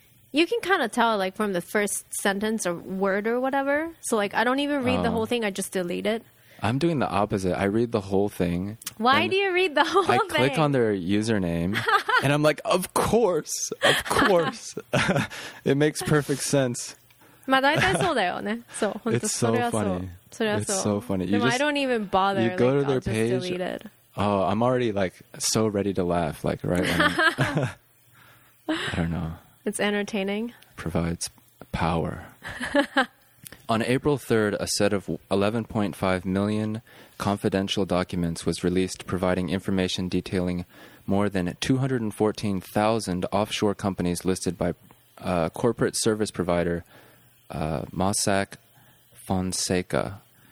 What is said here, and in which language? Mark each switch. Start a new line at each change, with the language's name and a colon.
English: You can kind of tell, like, from the first sentence or word or whatever. So, like, I don't even read the whole thing. I just delete it. I'm doing the opposite. I read the whole thing. Why do you read the whole thing? I click on their username, and I'm like, of course, of course. It makes perfect sense.
Japanese: まあ、大体そうだよね。そう、本当、
English: It's so funny.
Japanese: それはそう。
English: It's so funny. You just, I don't even bother. You go like, to their I'll page. Just delete it. Oh, I'm already, like, so ready to laugh, like, right when I don't know. It's entertaining. Provides power. On April 3rd, a set of 11.5 million confidential documents was released providing information detailing more than 214,000 offshore companies listed by corporate service provider Mossack Fonseca.